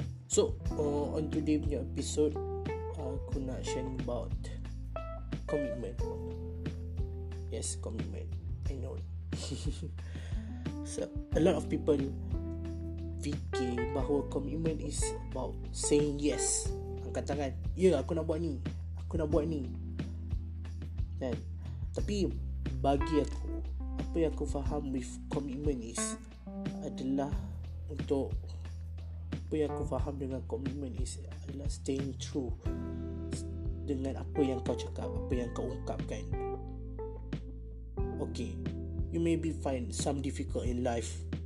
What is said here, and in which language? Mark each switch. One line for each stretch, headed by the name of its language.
English: So, on today
Malay: punya
English: episode,
Malay: aku nak
English: share about commitment. Yes, commitment. I know. So, a lot of people
Malay: fikir bahawa
English: commitment is about saying yes.
Malay: Angkat tangan. Ya, aku nak buat ni. Aku nak buat ni. Kan? Tapi bagi aku, apa yang aku faham
English: with
Malay: commitment is adalah untuk apa yang aku faham dengan commitment is adalah
English: staying true
Malay: dengan apa yang kau cakap, apa yang kau ungkapkan.
English: Okay, you maybe find some difficult in life.